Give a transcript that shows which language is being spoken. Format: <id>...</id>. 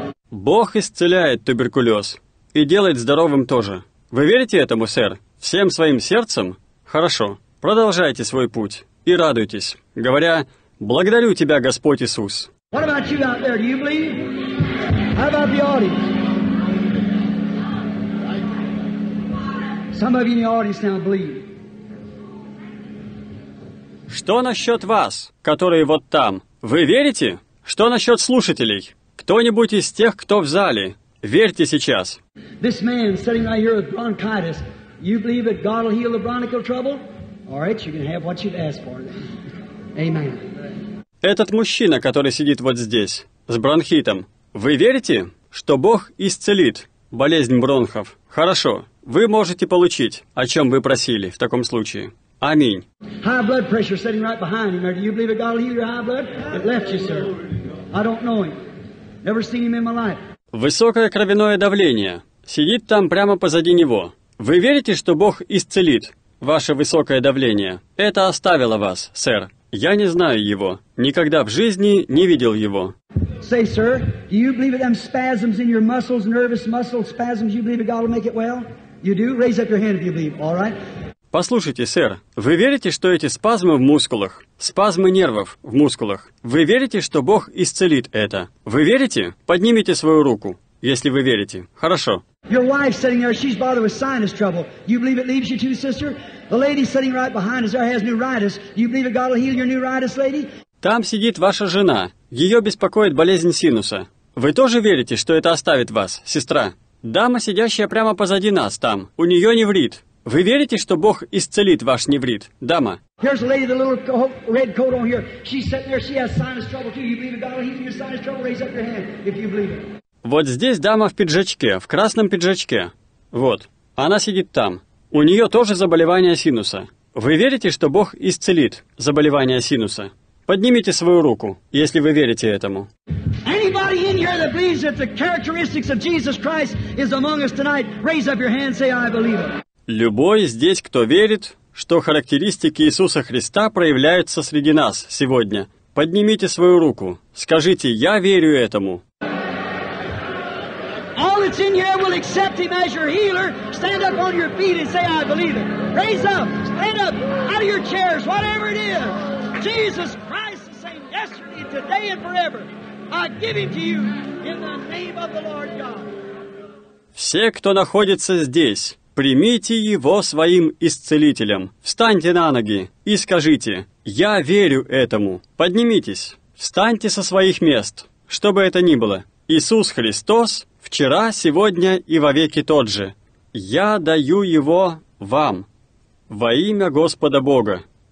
<ru>Бог исцеляет туберкулез и делает здоровым тоже. Вы верите этому, сэр? Всем своим сердцем? Хорошо. Продолжайте свой путь и радуйтесь, говоря, «Благодарю тебя, Господь Иисус».</ru> <en>What about you out there? Do you believe? How about the audience? Some of you in the audience now believe.</en> <ru>Что насчет вас, которые вот там? Вы верите? Что насчет слушателей? Кто-нибудь из тех, кто в зале? Верьте сейчас.</ru> <en>This man sitting right here with bronchitis, you believe that God will heal the bronchial trouble? All right, you can have what you've asked for. Amen.</en> <ru>Этот мужчина, который сидит вот здесь, с бронхитом, вы верите, что Бог исцелит болезнь бронхов? Хорошо, вы можете получить, о чем вы просили в таком случае. Аминь.</ru> <en>High blood pressure sitting right behind him. Do you believe that God will heal your high blood? It left you, sir. I don't know him. Never seen him in my life.</en> <ru>Высокое кровяное давление сидит там прямо позади него. Вы верите, что Бог исцелит ваше высокое давление? Это оставило вас, сэр. Я не знаю его. Никогда в жизни не видел его.</ru> <en>Say, sir, do you believe that them spasms in your muscles, nervous muscles, spasms, you believe that God will make it well? You do? Raise up your hand if you believe. All right?</en> <ru>Послушайте, сэр, вы верите, что эти спазмы в мускулах, спазмы нервов в мускулах, вы верите, что Бог исцелит это? Вы верите? Поднимите свою руку, если вы верите. Хорошо.</ru> <en>Your wife sitting there, she's bothered with sinus trouble. You believe it leaves you too, sister? The lady sitting right behind us there has neuritis. You believe that God will heal your neuritis, lady?</en> <ru>Там сидит ваша жена. Ее беспокоит болезнь синуса. Вы тоже верите, что это оставит вас, сестра? Дама, сидящая прямо позади нас там, у нее неврит. Вы верите, что Бог исцелит ваш неврит, дама?</ru> <en>Here's a lady, the little red coat on here. She's sitting there, she has sinus trouble too. You believe God will heal your sinus trouble? Raise up your hand if you believe it.</en> <ru>Вот здесь дама в пиджачке, в красном пиджачке. Вот. Она сидит там. У нее тоже заболевание синуса. Вы верите, что Бог исцелит заболевание синуса? Поднимите свою руку, если вы верите этому.</ru> <en>Anybody in here that believes that the characteristics of Jesus Christ is among us tonight, raise up your hand, say I believe it.</en> <ru>Любой здесь, кто верит, что характеристики Иисуса Христа проявляются среди нас сегодня, поднимите свою руку. Скажите, я верю этому.</ru> <en>All that's in here will accept him as your healer. Stand up on your feet and say, I believe it. Raise up, stand up, out of your chairs, whatever it is. Jesus Christ is saying yesterday, today and forever. I give him to you in the name of the Lord God.</en> <ru>Все, кто находится здесь, примите его своим исцелителем. Встаньте на ноги и скажите, «Я верю этому». Поднимитесь, встаньте со своих мест, что бы это ни было. Иисус Христос вчера, сегодня и вовеки тот же. Я даю его вам во имя Господа Бога.</ru>